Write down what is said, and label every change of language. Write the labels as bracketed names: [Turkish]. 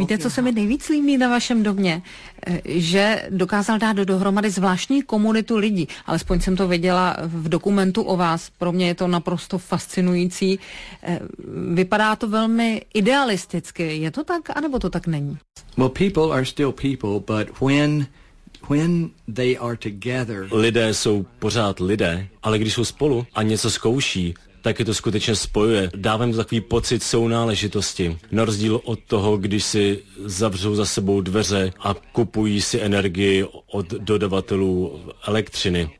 [Czech] Víte, co se mi nejvíc líbí na vašem domě? Že dokázal dát dohromady zvláštní komunitu lidí. Alespoň jsem to viděla v dokumentu o vás. Pro mě je to naprosto fascinující. Vypadá to velmi idealisticky. Je to tak, anebo to tak není? [English] Well, people are still people, but when they are together. [Czech] Lidé jsou pořád lidé, ale když jsou spolu a něco zkouší, tak je to skutečně spojuje. Dávám takový pocit sounáležitosti. Na rozdíl od toho, když si zavřou za sebou dveře a kupují si energii od dodavatelů elektřiny.